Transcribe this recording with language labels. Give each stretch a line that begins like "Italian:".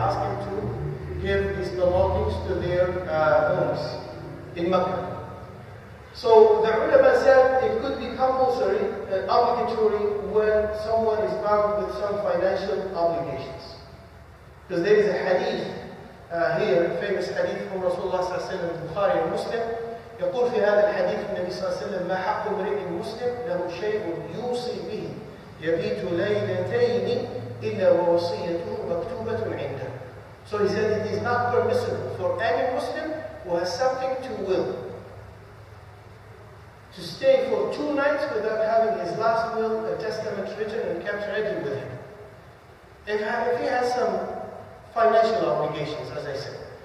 English: He asked him to give his belongings to their homes in Mecca. So the ulama said it could be compulsory and obligatory when someone is bound with some financial obligations. Because there is a hadith here, a famous hadith from Rasulullah sallallahu alaihi wasallam, Bukhari and Muslim.
Arabic: يقول في هذا الحديث النبي صلى الله عليه وسلم ما حق امرئ مسلم له شيء يوصي به يبيت ليلتين إلا ووصيته مكتوبة عنده.
English: So he said it is not permissible for any Muslim who has something to will to stay for two nights without having his last will, a testament written and kept ready with him. If he has some financial obligations, as I said.